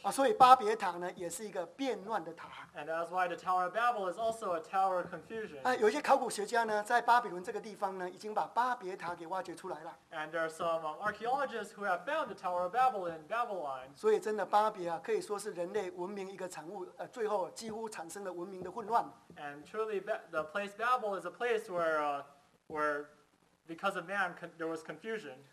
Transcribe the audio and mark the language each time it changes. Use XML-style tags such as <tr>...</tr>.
<zh>啊，所以巴别塔呢，也是一个变乱的塔。</zh> <en>And that's why the Tower of Babel is also a tower of confusion.</en> <zh>啊，有些考古学家呢，在巴比伦这个地方呢，已经把巴别塔给挖掘出来了。</zh> <en>And there are some archaeologists who have found the Tower of Babel in Babylon.</en> <zh>所以真的巴别啊，可以说是人类文明一个产物，最后几乎产生了文明的混乱。</zh> <en>And truly, the place Babel is a place where because of man, there was confusion.</en>